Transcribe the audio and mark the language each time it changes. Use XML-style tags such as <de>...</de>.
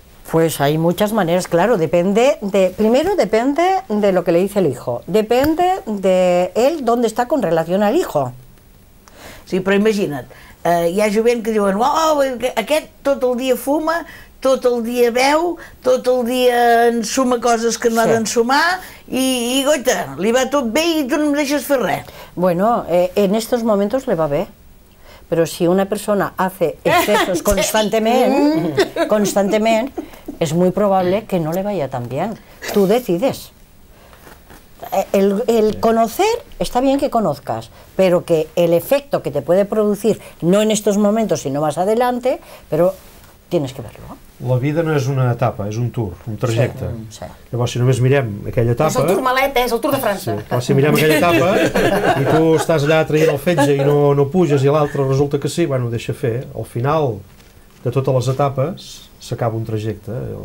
<es>Pues hay muchas maneras, claro, depende de... Primero depende de lo que le dice el hijo. Depende de él dónde está con relación al hijo.</es> <ca>Sí, però imagina't, hi ha jovent que diuen, oh, aquest tot el dia fuma, tot el dia beu, tot el dia ensuma coses que no ha d'ensumar, i goita, li va tot bé i tu no em deixes fer res.</ca> <es>Bueno, en estos momentos le va bé. Pero si una persona hace excesos constantemente, es muy probable que no le vaya tan bien. Tú decides. El conocer, está bien que conozcas, pero que el efecto que te puede producir, no en estos momentos, sino más adelante, pero tienes que verlo.</es> <ca>La vida no és una etapa, és un tour, un trajecte. Sí, sí. Llavors, si només mirem aquella etapa... És el tour malet, és el tour de França. Sí. Si mirem aquella etapa i tu estàs allà traient el fetge i no puges i l'altre resulta que sí, bueno, deixa fer. Al final de totes les etapes s'acaba un trajecte.</ca>